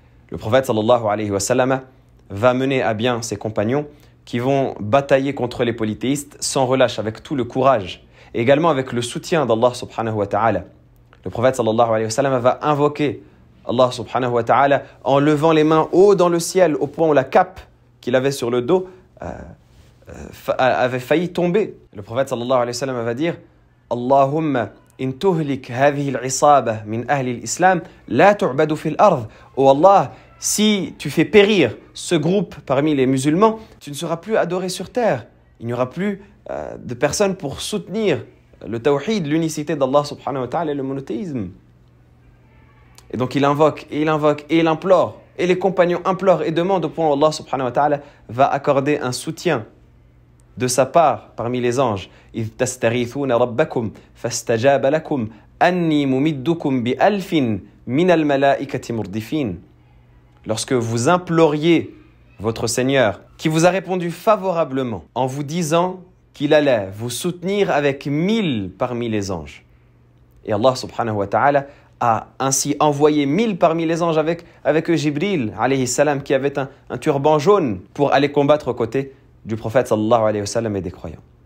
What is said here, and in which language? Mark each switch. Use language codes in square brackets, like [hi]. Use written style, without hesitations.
[fr] Le prophète sallallahu alayhi wa sallam va mener à bien ses compagnons qui vont batailler contre les polythéistes sans relâche, avec tout le courage et également avec le soutien d'Allah subhanahu wa ta'ala. Le prophète sallallahu alayhi wa sallam va invoquer Allah subhanahu wa ta'ala en levant les mains haut dans le ciel au point où la cape qu'il avait sur le dos avait failli tomber. Le prophète sallallahu alayhi wa sallam va dire « Allahumma » [ar] إن تهلك هذه العصابة من أهل الإسلام لا تعبد في الأرض. [fr] Oh Allah, si tu fais périr ce groupe parmi les musulmans, tu ne seras plus adoré sur terre. Il n'y aura plus de personnes pour soutenir le tawhid, l'unicité d'Allah subhanahu wa ta'ala et le monothéisme. Et donc il invoque, et il invoque, et il implore, et les compagnons implorent et demandent au point où Allah subhanahu wa ta'ala va accorder un soutien de sa part parmi les anges. [ar] إذ تستغيثون ربكم فاستجاب لكم أني ممدكم بألف من الملائكة مردفين. [fr] Lorsque vous imploriez votre Seigneur, qui vous a répondu favorablement en vous disant qu'il allait vous soutenir avec 1000 parmi les anges. Et Allah subhanahu wa ta'ala a ainsi envoyé 1000 parmi les anges avec Jibril alayhi salam, qui avait un turban jaune pour aller combattre aux côtés du prophète sallallahu alayhi wa sallam et des croyants.